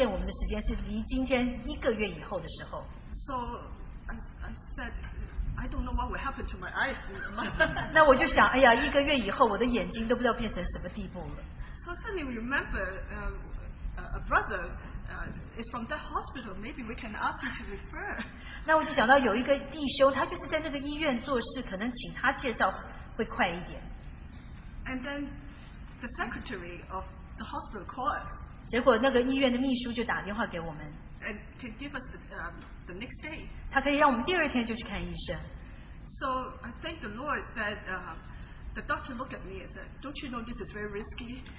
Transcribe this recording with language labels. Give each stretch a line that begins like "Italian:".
Chinese: 结果我们打电话的时候，他们说，哦，你要约定见我们的时间是离今天一个月以后的时候。
English: So I said, I don't know what will happen to my eyes.
Chinese: 那我就想，哎呀，一个月以后我的眼睛都不知道变成什么地步了。
English: So suddenly we remember a brother is from that hospital. Maybe we can ask him to refer.
Chinese: 那我就想到有一个弟兄，他就是在那个医院做事，可能请他介绍会快一点。
English: And then the secretary of the hospital called.
Chinese: 结果那个医院的秘书就打电话给我们。
English: And can give us the next day.
Chinese: 他可以让我们第二天就去看医生。
English: So I thank the Lord that the doctor looked at me and said, "Don't you know this is very risky?"